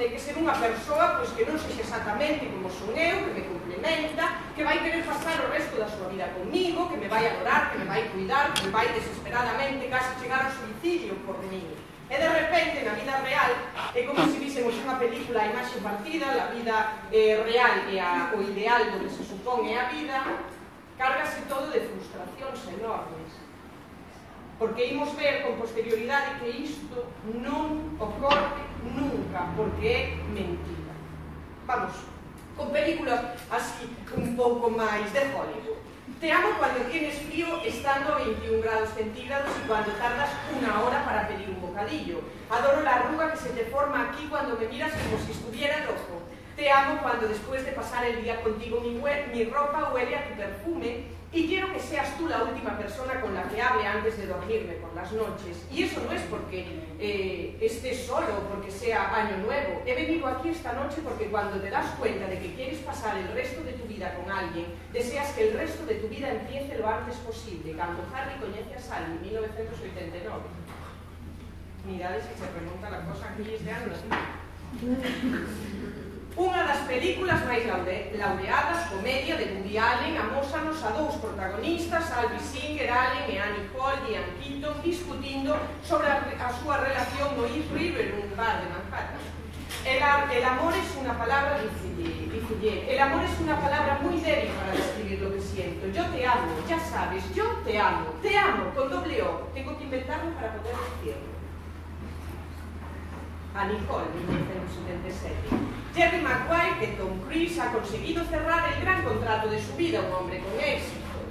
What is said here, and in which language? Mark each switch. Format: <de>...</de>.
<gl>De que ser unha persoa pois, que non sexe exactamente como son eu, que me complementa, que vai querer pasar o resto da súa vida comigo, que me vai adorar, que me vai cuidar, que vai desesperadamente casi chegar ao suicidio por mí. E de repente, na vida real, é como se vísemos unha película a imaxe partida,</gl> <es>la vida real</es> <gl>e o ideal do que se supón é a vida, cárgase todo de frustracións enormes. Porque imos ver con posterioridade que isto non ocorre nunca, porque é mentira. Vamos, con películas así un pouco máis de Hollywood.</gl> <es>Te amo cuando tienes frío estando a 21 grados centígrados y cuando tardas una hora para pedir un bocadillo. Adoro la arruga que se te forma aquí cuando me miras como si estuviera rojo. Te amo cuando después de pasar el día contigo mi ropa huele a tu perfume. Y quiero que seas tú la última persona con la que hable antes de dormirme por las noches. Y eso no es porque esté solo o porque sea año nuevo. He venido aquí esta noche porque cuando te das cuenta de que quieres pasar el resto de tu vida con alguien, deseas que el resto de tu vida empiece lo antes posible. Cuando Harry conoce a Sally, 1989. Mirad si se remonta la cosa aquí este año.</es> <gl>Unha das películas máis laureadas, comedia de Woody Allen, amósanos a dous protagonistas, Alvy Singer, Allen e Annie Hall, Ian Keaton, discutindo sobre a súa relación no East River, un bar de Manhattan.</gl> <es>El amor es una palabra, dice, el amor es una palabra muy débil para describir lo que siento. Yo te amo, ya sabes, yo te amo, con doble O. Tengo que inventarlo para poder decirlo. A Nicole, 1977. Jerry Maguire, que Tom Cruise ha conseguido cerrar el gran contrato de su vida, un hombre con éxito.</es>